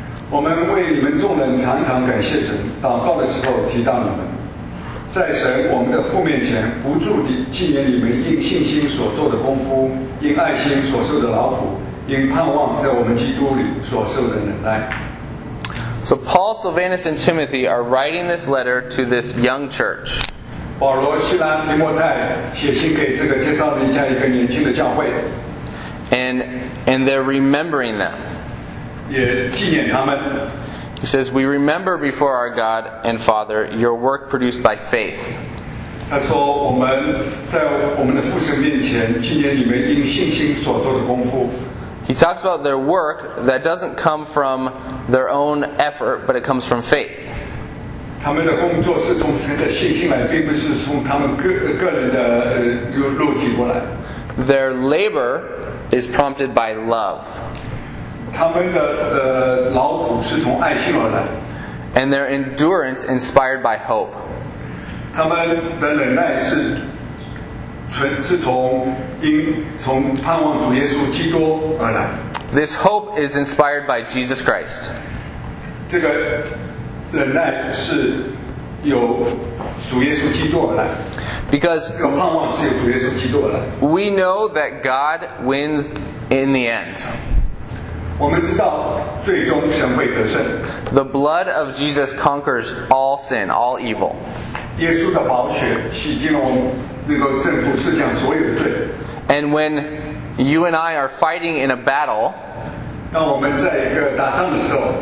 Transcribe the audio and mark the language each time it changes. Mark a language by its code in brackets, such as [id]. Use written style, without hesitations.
[zh] 我们为你们众人常常感谢神，祷告的时候提到你们，在神我们的父面前不住地纪念你们因信心所做的功夫，因爱心所受的劳苦，因盼望在我们基督里所受的忍耐。 [en] So Paul, Silvanus, and Timothy are writing this letter to this young church. [zh] 保罗、希拉、提摩太写信给这个帖撒罗尼迦一个年轻的教会 [en] and they're remembering them [zh] 也纪念他们 [en] He says we remember before our God and Father your work produced by faith [zh] 他说我们在我们的父神面前纪念你们因信心所做的功夫 [en] He talks about their work that doesn't come from their own effort but it comes from faith [zh] 他们的工作是从神的信心来，并不是从他们个人的肉体过来。 [en] Their labor is prompted by love. [zh] 他们的劳苦是从爱心而来。 [en] And their endurance inspired by hope. [zh] 他们的忍耐是从盼望主耶稣基督而来。 [en] This hope is inspired by Jesus Christ. [zh] 这个。忍耐是由主耶稣基督而来 [en] Because [zh] 这个盼望是由主耶稣基督而来 [en] We know that God wins in the end [zh] 我们知道最终神会得胜 [en] The blood of Jesus conquers all sin, all evil [zh] 耶稣的宝血洗净了我们能够征服世上所有的罪 [en] And when you and I are fighting in a battle [zh] 当我们在一个打仗的时候